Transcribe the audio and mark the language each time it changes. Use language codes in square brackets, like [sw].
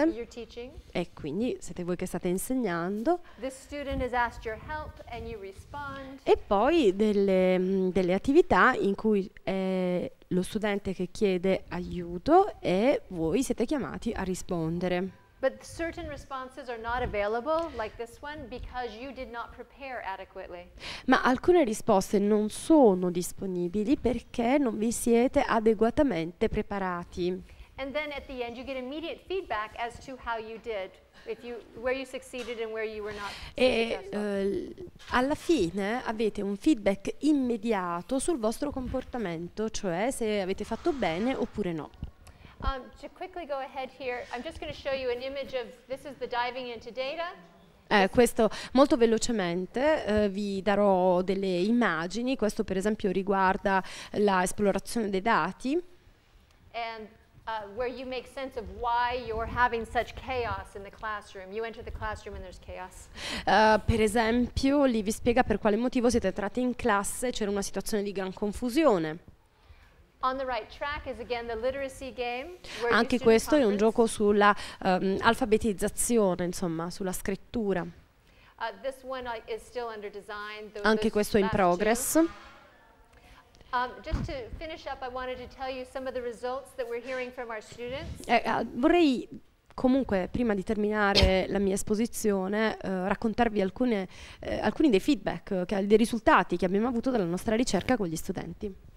[en] You're teaching. [it] E quindi siete voi che state insegnando. [en] This student has asked your help and you respond. [it] E poi delle attività in cui è lo studente che chiede aiuto e voi siete chiamati a rispondere. [en] But certain responses are not available, like this one, because you did not prepare adequately. [it] Ma alcune risposte non sono disponibili perché non vi siete adeguatamente preparati. [en] And then at the end you get immediate feedback as to how you did, if you, where you succeeded and where you were not successful. [it] E alla fine avete un feedback immediato sul vostro comportamento, cioè se avete fatto bene oppure no. [en] To quickly go ahead here, I'm just going to show you an image of, this is the diving into data. [it] Questo, molto velocemente, vi darò delle immagini, questo per esempio riguarda l'esplorazione dei dati. [en] And where you make sense of why you're having such chaos in the classroom. You enter the classroom and there's chaos. [it] Per esempio, lì vi spiega per quale motivo siete entrati in classe, c'era una situazione di gran confusione. [en] On the right track is again the literacy game. [it] Anche questo è un gioco sulla alfabetizzazione, insomma, sulla scrittura. [en] This one is still under design. [it] Anche questo è in progress. [en] Just to finish up, I wanted to tell you some of the results that we're hearing from our students. [it] Vorrei comunque, prima di terminare la mia esposizione, raccontarvi alcuni dei feedback, dei risultati che abbiamo avuto dalla nostra ricerca con gli studenti.